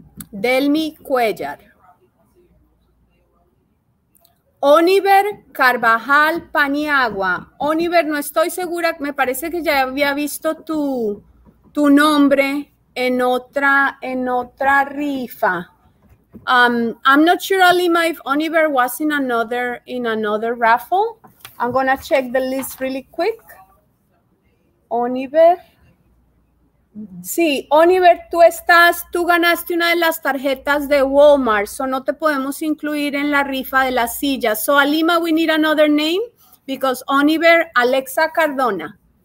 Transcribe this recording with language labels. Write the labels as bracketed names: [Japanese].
[Spanish] Delmi Cuellar. Oniver Carvajal Paniagua. Oniver, no estoy segura. Me parece que ya había visto tu nombre en otra rifa. [English] I'm not sure, Alima, if Oniver was in another raffle. I'm going to check the list really quick. Oniver. [Spanish] Sí, Oniver, tú ganaste una de las tarjetas de Walmart, so no te podemos incluir en la rifa de la silla. [English] So, Alima, we need another name because Oniver, Alexa Cardona.